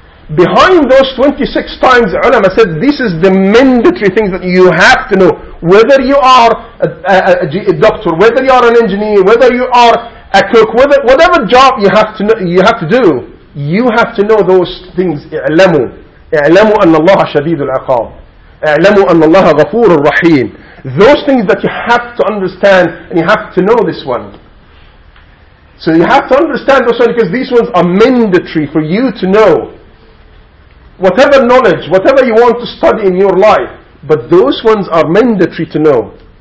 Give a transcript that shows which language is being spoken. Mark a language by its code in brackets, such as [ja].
[en] Behind those 26 times, ulama said this is the mandatory things that you have to know, whether you are a doctor, whether you are an engineer, whether you are a cook, whatever job you have to know, you have to do, you have to know those things. [ar] اعلموا اعلموا أن الله شديد العقاب اعلموا أن الله غفور الرحيم. [en] Those things that you have to understand, and you have to know this one. So you have to understand those ones because these ones are mandatory for you to know. Whatever knowledge, whatever you want to study in your life, but those ones are mandatory to know.